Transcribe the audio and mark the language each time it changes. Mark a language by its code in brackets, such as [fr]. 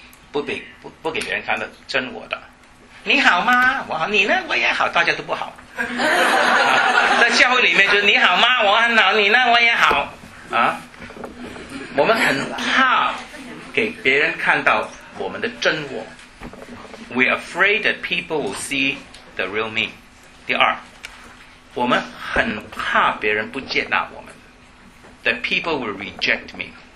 [zh] 不给别人看到真我的。你好吗？我好。你呢？我也好。大家都不好。啊、在教会里面就是你好吗？我很好。你呢？我也好。啊，我们很怕给别人看到我们的真我。 [en] We are afraid that people will see the real me. [zh] 第二，我们很怕别人不接纳我们。 [en] That people will reject me.